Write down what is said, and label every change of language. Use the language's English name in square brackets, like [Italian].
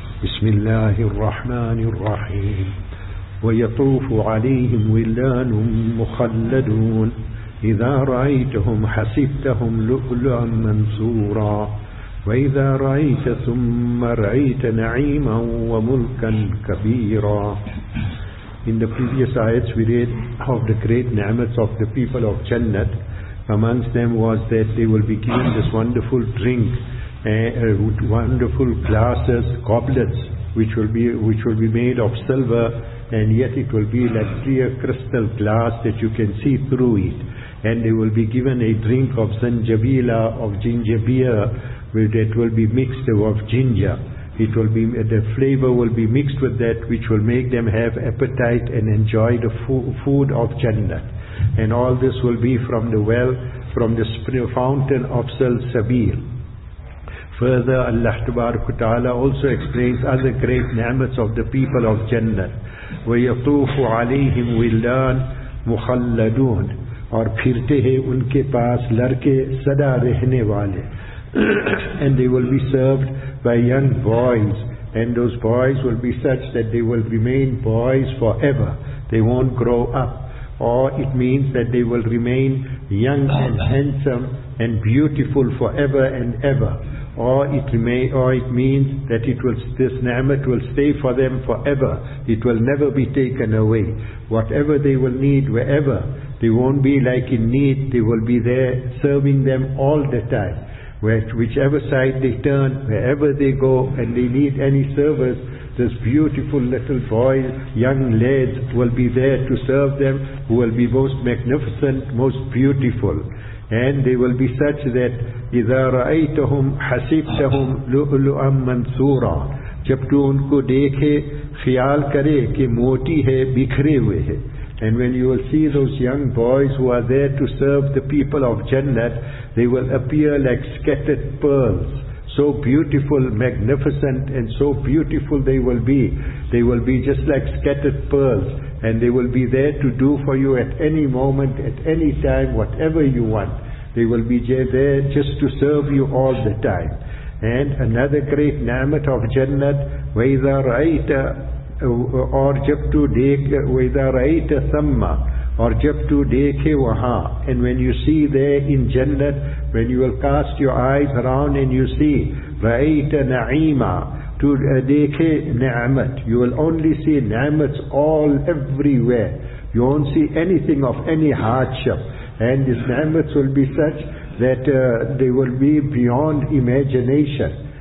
[Arabic] بسم الله الرحمن الرحيم. ويطوف عليهم ولدان مخلدون إذا رأيتهم حسبتهم لؤلؤا منثورا وإذا رأيت ثم رأيت نعيما وملكا كبيرا. [English] In the previous ayats we read of the great ni'mats of the people of Jannat. Amongst them was that they will be given this wonderful drink, wonderful glasses, goblets, which will be made of silver, and yet it will be like clear crystal glass that you can see through it. And they will be given a drink of zanjabila, of ginger beer, that will be mixed with ginger. It will be, the flavor will be mixed with that, which will make them have appetite and enjoy the food of Jannat. And all this will be from the well, from the fountain of Salsabil. Further, Allah Tabaraka Ta'ala also explains other great ni'mats of the people of Jannat. [Arabic] وَيَطُوفُ عَلَيْهِمْ وِلْدَانٌ مُخَلَّدُونَ [Urdu] اور پھرتے ہیں ان کے پاس لڑکے صدا رہنے والے. [English] And they will be served by young boys, and those boys will be such that they will remain boys forever. They won't grow up. Or it means that they will remain young and handsome and beautiful forever and ever. Or it means that it will, this ni'mat will stay for them forever. It will never be taken away. Whatever they will need, wherever, they won't be like in need. They will be there serving them all the time. Whichever side they turn, wherever they go, and they need any service, this beautiful little boys, young lads will be there to serve them, who will be most magnificent, most beautiful. And they will be such that [Arabic] إِذَا رَأَيْتَهُمْ حَسِبْتَهُمْ لُؤْلُؤًا مَنْثُورًا. [Urdu] جب تو ان کو دیکھے خیال کرے کہ موٹی ہے بکھرے ہوئے ہیں. [English] And when you will see those young boys who are there to serve the people of Jannat, they will appear like scattered pearls, so beautiful, magnificent, and so beautiful they will be. They will be just like scattered pearls, and they will be there to do for you at any moment, at any time, whatever you want. They will be there just to serve you all the time. And another great ni'mat of Jannat, [Arabic] وَإِذَا رَأَيْتَ [Urdu] اور جب تو دیکھ [Arabic] وَإِذَا رَأَيْتَ ثَمَّ [Urdu] اور جب تو دیکھے وہاں. [English] And when you see there in Jannat, when you will cast your eyes around and you see [Arabic] رَأَيْتَ نَعِيمًا [English] to [Urdu] دیکھے نعمت, [English] you will only see نعمت all everywhere. You won't see anything of any hardship, and these نعمت will be such that they will be beyond imagination.